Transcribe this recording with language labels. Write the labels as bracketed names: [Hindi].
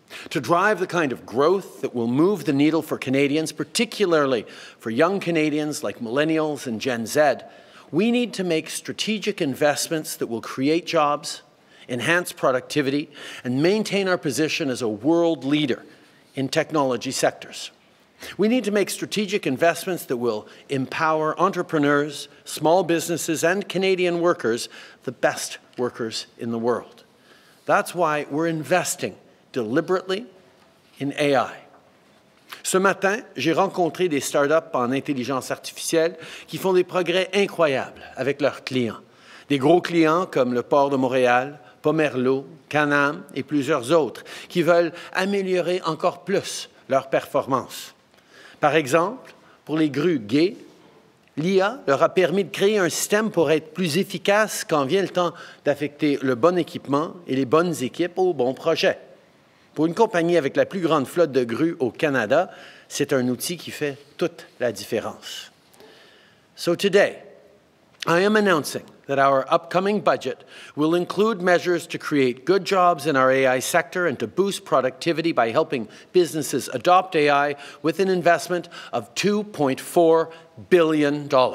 [English] To drive the kind of growth that will move the needle for Canadians, particularly for young Canadians like millennials and Gen Z, we need to make strategic investments that will create jobs, enhance productivity, and maintain our position as a world leader in technology sectors. We need to make strategic investments that will empower entrepreneurs, small businesses, and Canadian workers, the best workers in the world. That's why we're investing deliberately in AI. [French] Ce matin, j'ai rencontré des startups en intelligence artificielle qui font des progrès incroyables avec leurs clients. Des gros clients comme le port de Montréal, Pomerleau, Canam et plusieurs autres qui veulent améliorer encore plus leur performance. Par exemple, pour les grues gays, l'IA leur a permis de créer un système pour être plus efficace quand vient le temps d'affecter le bon équipement et les bonnes équipes au bon projet. Pour une compagnie avec la plus grande flotte de grues au Canada, c'est un outil qui fait toute la différence. [English] So today, I am announcing that our upcoming budget will include measures to create good jobs in our AI sector and to boost productivity by helping businesses adopt AI with an investment of $2.4 billion.